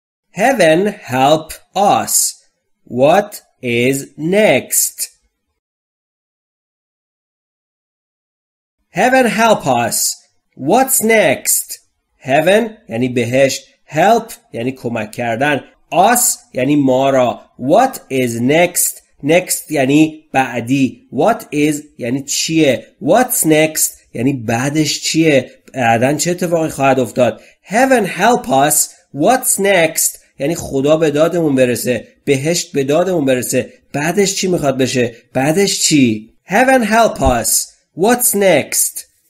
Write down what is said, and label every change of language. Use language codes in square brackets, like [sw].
[en] Heaven help us. What is next? Heaven help us. What's next? [fa] Heaven یعنی بهشت. Help یعنی کمک کردن. Us یعنی ما را. [en] What is next؟ Next [fa] یعنی بعدی. [en] What is [fa] یعنی چیه. [en] What's next [fa] یعنی بعدش چیه. بعدن چه اتفاقی خواهد افتاد. [en] Heaven help us. What's next [fa] یعنی خدا به دادمون برسه. بهشت به دادمون برسه. بعدش چی میخواد بشه. بعدش چی. [en] Heaven help us. What's next.